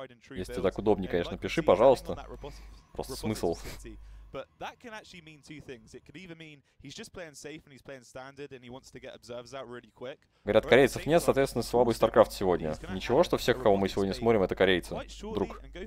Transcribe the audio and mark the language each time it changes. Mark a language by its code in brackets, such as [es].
[ru] Если так удобнее, конечно, пиши, пожалуйста. Просто смысл. [en] But that can actually mean two things. It could either mean he's just playing safe and he's playing standard and he wants to get observers out really quick. [ru] Говорят, корейцев нет, соответственно, слабый StarCraft сегодня. Ничего, что всех, кого мы сегодня смотрим, это корейцы. Друг.